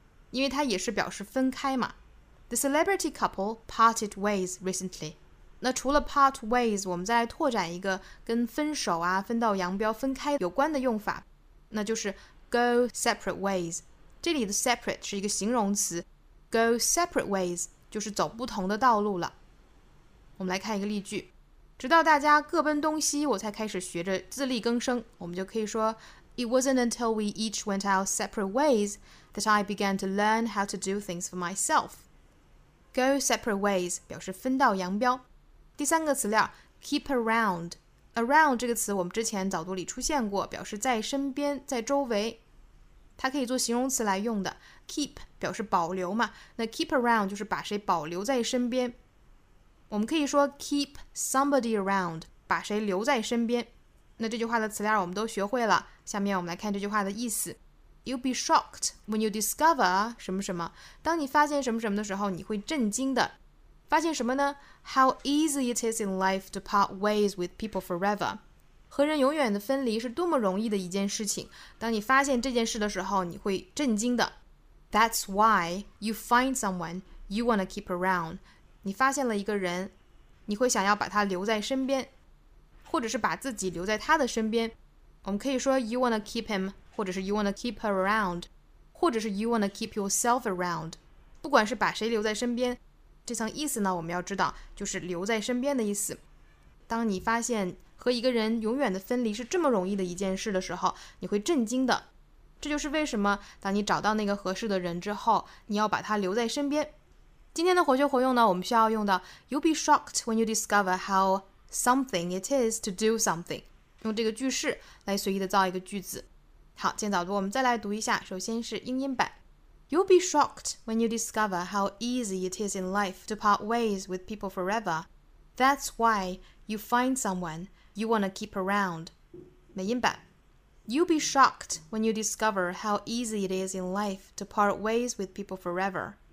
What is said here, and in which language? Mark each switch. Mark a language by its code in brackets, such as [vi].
[zh] 因为它也是表示分开嘛 [en] The celebrity couple parted ways recently [zh] 那除了 part ways 我们再来拓展一个跟分手啊分道扬镳分开有关的用法那就是 go separate ways 这里的 separate 是一个形容词 go separate ways 就是走不同的道路了我们来看一个例句直到大家各奔东西我才开始学着自力更生我们就可以说 [en] It wasn't until we each went our separate ways that I began to learn how to do things for myself. Go separate ways [zh] 表示分道扬镳。第三个词料 keep around。Around 这个词我们之前早读里出现过，表示在身边，在周围。它可以做形容词来用的， keep 表示保留嘛，那 keep around 就是把谁保留在身边。我们可以说 keep somebody around， 把谁留在身边。那这句话的词料我们都学会了，下面我们来看这句话的意思。 [en] You'll be shocked when you discover [zh] 什么什么，当你发现什么什么的时候你会震惊的。发现什么呢？ [en] How easy it is in life to part ways with people forever. [zh] 和人永远的分离是多么容易的一件事情。当你发现这件事的时候，你会震惊的。 [en] That's why you find someone you want to keep around. [zh] 你发现了一个人，你会想要把他留在身边，或者是把自己留在他的身边。我们可以说 [en] you want to keep him, [zh] 或者是 [en] you want to keep her around, 或者是 you want to keep yourself around. [zh] 不管是把谁留在身边，这层意思呢，我们要知道就是留在身边的意思。当你发现和一个人永远的分离是这么容易的一件事的时候，你会震惊的。这就是为什么当你找到那个合适的人之后，你要把他留在身边。今天的活学活用呢，我们需要用到 [en] You'll be shocked when you discover how something it is to do something， [zh] 用这个句式来随意的造一个句子。好，今天早读我们再来读一下，首先是英音版。 [en] You'll be shocked when you discover how easy it is in life to part ways with people forever. That's why you find someone you want to keep around. [zh] 美音版。 [en] You'll be shocked when you discover how easy it is in life to part ways with people forever.